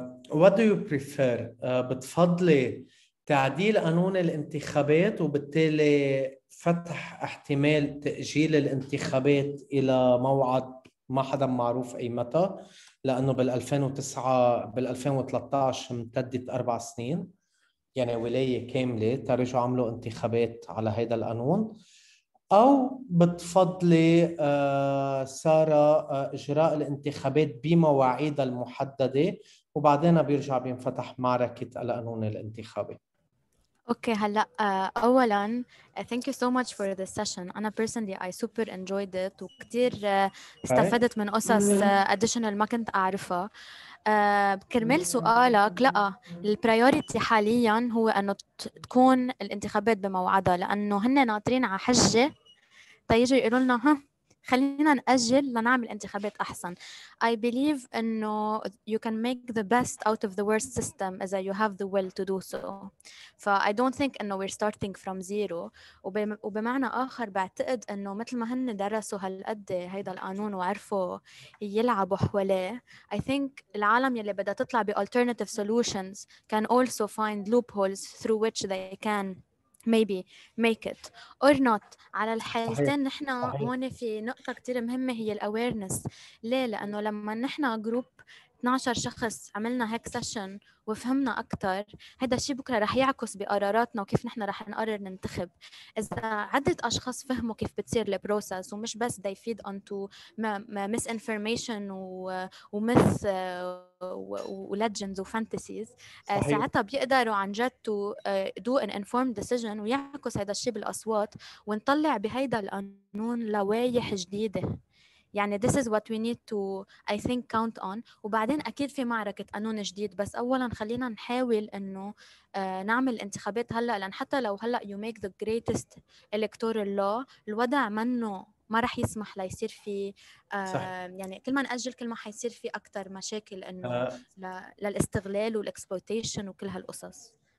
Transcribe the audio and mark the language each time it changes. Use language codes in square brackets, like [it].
[en] What do you prefer؟ [ar] بتفضلي تعديل قانون الانتخابات وبالتالي فتح احتمال تأجيل الانتخابات إلى موعد ما حدا معروف أي متى لأنه بال2009 بال2013 امتدت 4 سنين يعني ولاية كاملة ترجعوا عملوا انتخابات على هذا القانون، أو بتفضلي سارة إجراء الانتخابات بمواعيدها المحددة وبعدين بيرجع بينفتح معركة القانون الانتخابي؟ [en] Okay, hello. [ar] أولاً, [en] thank you so much for the session. [ar] أنا [en] personally, I super enjoyed it [ar] وكتير استفدت من قصص additional ما كنت أعرفها. كرمال سؤالك, لا, البرايوريتي حالياً هو أنه تكون الانتخابات بموعدها لأنه هن ناطرين على حجة تيجي يقولوا لنا ها خلينا نأجل لنعمل انتخابات أحسن. [en] I believe [ar] أنه [en] you can make the best out of the worst system as you have the will to do so. ف I don't think [ar] أنه [en] we're starting from zero. [ar] وبمعنى آخر بعتقد أنه مثل ما هن درسوا هالقد هيدا القانون وعرفوا يلعبوا حواليه, [en] I think [ar] العالم يلي بدأ تطلع ب [en] alternative solutions can also find loopholes through which they can maybe make it or not. [ar] على الحالتين نحن هون في نقطة كتير مهمة هي الأويرنس. ليه؟ لأنه لما نحن جروب 12 شخص عملنا هيك سيشن وفهمنا أكثر, هذا الشيء بكره رح يعكس بقراراتنا وكيف نحن رح نقرر ننتخب. إذا عدة أشخاص فهموا كيف بتصير البروسس ومش بس [en] they feed onto mis information [ar] ومس وليجندز وفانتسيز, ساعتها بيقدروا عن جد [en] to do an informed decision [ar] ويعكس هذا الشيء بالأصوات ونطلع بهيدا القانون لوائح جديدة. يعني [en] this is what we need to I think count on. [ar] وبعدين أكيد في معركة قانون جديد, بس أولا خلينا نحاول أنه نعمل انتخابات هلأ, لأن حتى لو هلأ [en] you make the greatest electoral law [ar] الوضع منه ما رح يسمح ليصير في يعني كل ما نأجل كل ما حيصير في أكتر مشاكل أنه للاستغلال والexploitation وكل هالقصص.